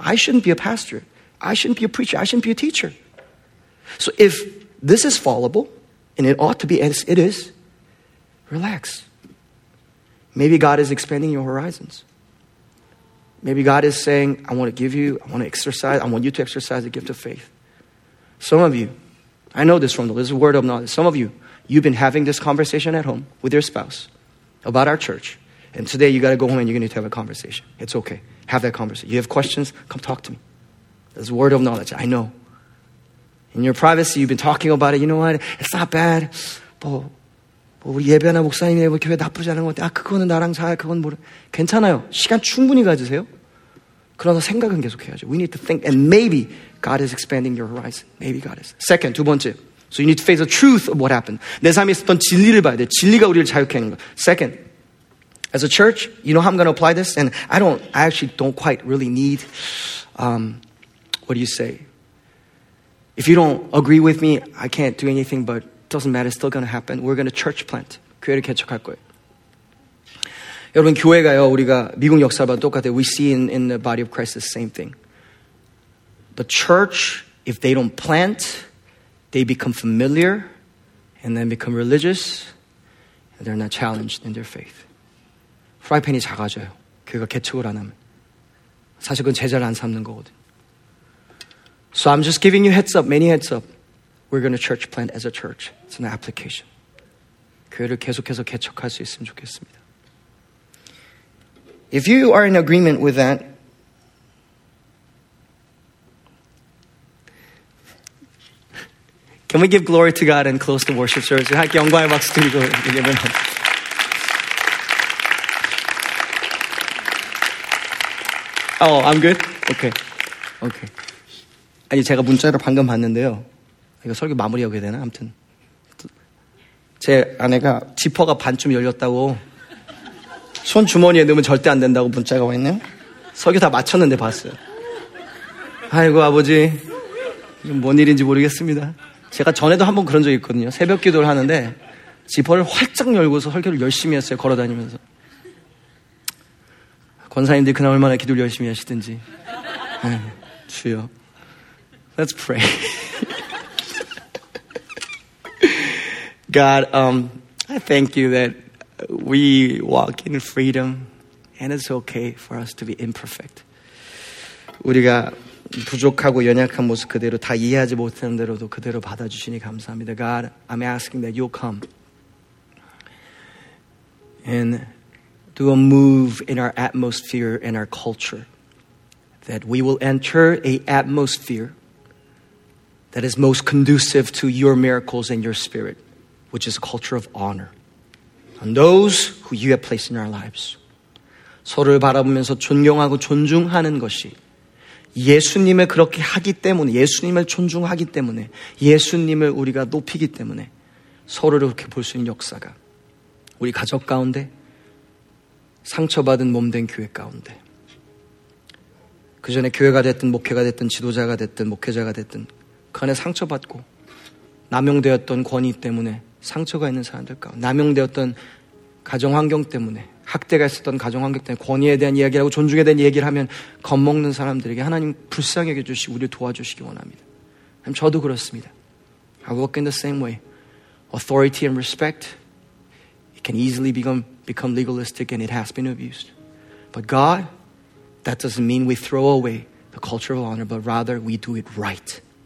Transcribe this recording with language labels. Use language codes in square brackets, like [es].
[en] I shouldn't be a pastor. I shouldn't be a preacher. I shouldn't be a teacher. So if this is fallible, and it ought to be as it is, relax. Maybe God is expanding your horizons. Maybe God is saying, I want to give you, I want to exercise, I want you to exercise the gift of faith. Some of you, I know this from the Lord, this is a word of knowledge. Some of you, you've been having this conversation at home with your spouse about our church. And today you got to go home and you're going to have a conversation. It's okay. Have that conversation. You have questions? Come talk to me. This is a word of knowledge. I know. In your privacy, you've been talking about it. You know what? It's not bad. [ko] But 우리 예배나 목사님 예배 교회 나쁘지 않은 것 같아. 아, 그거는 나랑 잘, 그건 모르. 괜찮아요. 시간 충분히 가지세요. 그러나 생각은 계속 해야죠. [en] We need to think. And maybe God is expanding your horizon. Maybe God is. Second, [ko] 두 번째. [en] So you need to face the truth of what happened. [ko] 내 삶에 있었던 진리를 봐야 돼. 진리가 우리를 자유케 하는 거. [en] Second, as a church, you know how I'm going to apply this? And I actually don't quite really need, what do you say? If you don't agree with me, I can't do anything but doesn't matter, it's still going to happen. We're going to church plant. [ko] 교회를 개척할 거예요. 여러분, 교회가요, 우리가 미국 역사와 똑같아요. [en] We see in the body of Christ the same thing. The church, if they don't plant, they become familiar and then become religious and they're not challenged in their faith. [ko] 프라이팬이 작아져요. 교회가 개척을 안 하면. 사실 그건 제자를 안 삼는 거거든. [en] So I'm just giving you heads up, many heads up. We're going to church plant as a church. It's an application. [ko] 교회를 계속해서 개척할 수 있으면 좋겠습니다. [en] If you are in agreement with that, can we give glory to God and close the worship service? [ko] 함께 영광의 박수 드리고 예배합니다. [en] Oh, I'm good? Okay. Okay. [ko] 아니, 제가 문자를 방금 봤는데요. 이거 설교 마무리하고 해야 되나? 아무튼 제 아내가 지퍼가 반쯤 열렸다고 손 주머니에 넣으면 절대 안 된다고 문자가 왔네요. 설교 다 마쳤는데 봤어요. 아이고 아버지, 뭔 일인지 모르겠습니다. 제가 전에도 한번 그런 적이 있거든요. 새벽 기도를 하는데 지퍼를 활짝 열고서 설교를 열심히 했어요. 걸어다니면서. 권사님들이 그날 얼마나 기도를 열심히 하시든지. [en] 주여, Let's pray. God, I thank you that we walk in freedom and it's okay for us to be imperfect. [ko] 우리가 부족하고 연약한 모습 그대로 다 이해하지 못하는 대로도 그대로 받아주시니 감사합니다. [en] God, I'm asking that you'll come and do a move in our atmosphere and our culture that we will enter an atmosphere that is most conducive to your miracles and your spirit. Which is a culture of honor. And those who you have placed in our lives. [ko] 서로를 바라보면서 존경하고 존중하는 것이 예수님을 그렇게 하기 때문에 예수님을 존중하기 때문에 예수님을 우리가 높이기 때문에 서로를 그렇게 볼 수 있는 역사가 우리 가족 가운데 상처받은 몸된 교회 가운데 그 전에 교회가 됐든 목회가 됐든 지도자가 됐든 목회자가 됐든 그 안에 상처받고 남용되었던 권위 때문에 상처가 있는 사람들 가운데 남용되었던 가정환경 때문에 학대가 있었던 가정환경 때문에 권위에 대한 이야기라고 존중에 대한 얘기를 하면 겁먹는 사람들에게 하나님 불쌍히 여겨주시고 우리를 도와주시기 원합니다. 저도 그렇습니다. [en] I walk in the same way. Authority and respect it can easily become legalistic and it has been abused. But God, that doesn't mean we throw away the culture of honor but rather we do it right.